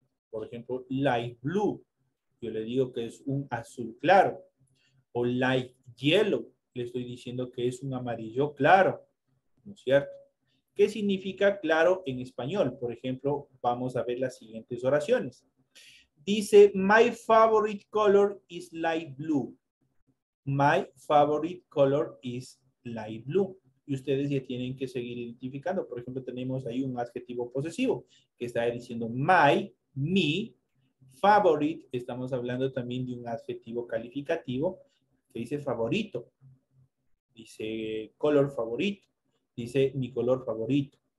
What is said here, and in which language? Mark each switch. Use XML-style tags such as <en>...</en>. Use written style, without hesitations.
<es>Por ejemplo,</es> <en>light blue,</en> <es>yo le digo que es un azul claro. O</es> <en>light yellow,</en> <es>le estoy diciendo que es un amarillo claro, ¿no es cierto? ¿Qué significa claro en español? Por ejemplo, vamos a ver las siguientes oraciones. Dice,</es> <en>my favorite color is light blue. My favorite color is light blue.</en> <es>Y ustedes ya tienen que seguir identificando. Por ejemplo, tenemos ahí un adjetivo posesivo que está diciendo my, mi, favorite. Estamos hablando también de un adjetivo calificativo que dice favorito. Dice color favorito. Dice mi color favorito.</es>